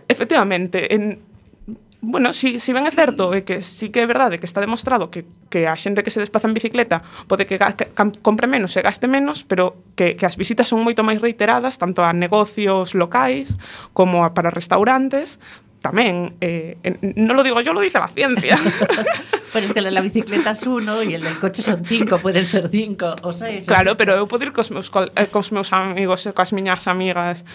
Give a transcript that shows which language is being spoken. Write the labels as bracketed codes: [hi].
[gl] Efectivamente, bueno, si ben é certo, que sí que é verdade que está demostrado que a xente que se desplaza en bicicleta pode que compre menos, se gaste menos, pero que as visitas son moito máis reiteradas, tanto a negocios locais como a para restaurantes, tamén, non [es] lo digo yo, lo dice la ciencia. Pero es que la bicicleta es uno y el del coche son cinco, pueden ser cinco o seis. [gl] Claro, pero eu podo ir cos meus amigos e cos miñas amigas